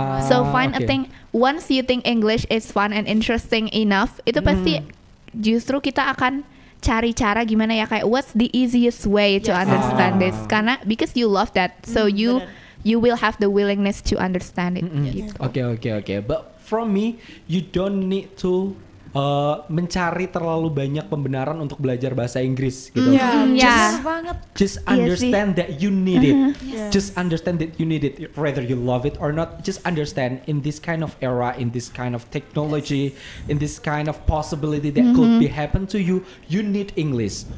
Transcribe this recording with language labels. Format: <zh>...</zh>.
<en>So find a thing, once you think English is fun and interesting enough,</en> <id>itu pasti justru kita akan cari cara gimana ya,</id> <en>kayak what's the easiest way to understand this, karena because you love that, so you will have the willingness to understand it. Okay. But from me, you don't need to</en> <id>mencari terlalu banyak pembenaran untuk belajar bahasa Inggris gitu. Iya, banget.</id> <en>Just understand that you need it. Yes. Just understand that you need it, whether you love it or not. Just understand in this kind of era, in this kind of technology, in this kind of possibility that could be happen to you, you need English.</en>